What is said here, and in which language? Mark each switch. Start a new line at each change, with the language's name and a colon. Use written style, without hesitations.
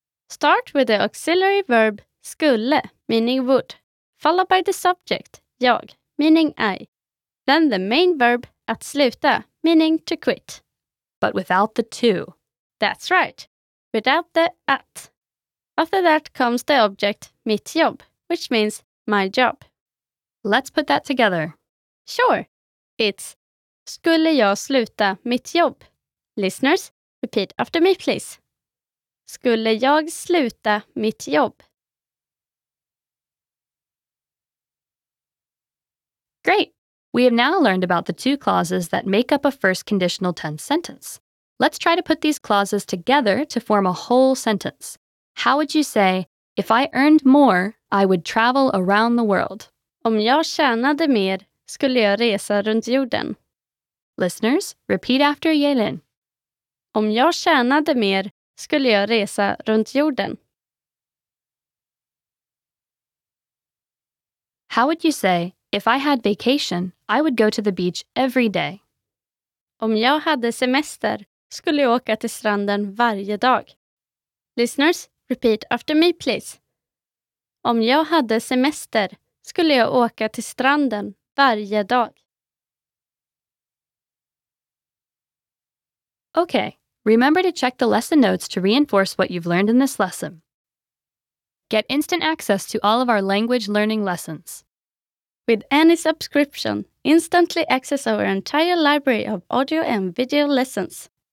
English: Start with the auxiliary verb skulle, meaning would, followed by the subject, jag, meaning I. Then the main verb
Swedish: att sluta,
English: meaning to quit. But without the to. That's right. Without the att. After that comes the object
Swedish: mitt jobb,
English: which means my job. Let's put that together. Sure. It's
Swedish: skulle jag sluta mitt jobb?
English: Listeners, repeat after me, please.
Swedish: Skulle jag sluta mitt jobb?
English: Great. We have now learned about the two clauses that make up a first conditional tense sentence. Let's try to put these clauses together to form a whole sentence. How would you say, if I earned more, I would travel around the world?
Swedish: Om jag tjänade mer, skulle jag resa runt jorden.
English: Listeners, repeat after Yelin.
Swedish: Om jag tjänade mer, skulle jag resa runt jorden.
English: How would you say, if I had vacation, I would go to the beach every day?
Swedish: Om jag hade semester, skulle jag åka till stranden varje dag.
English: Listeners, repeat after me, please.
Swedish: Om jag hade semester skulle jag åka till stranden varje dag.
English: Okay, Remember to check the lesson notes to reinforce what you've learned in this lesson. Get instant access to all of our language learning lessons. With any subscription, instantly access our entire library of audio and video lessons.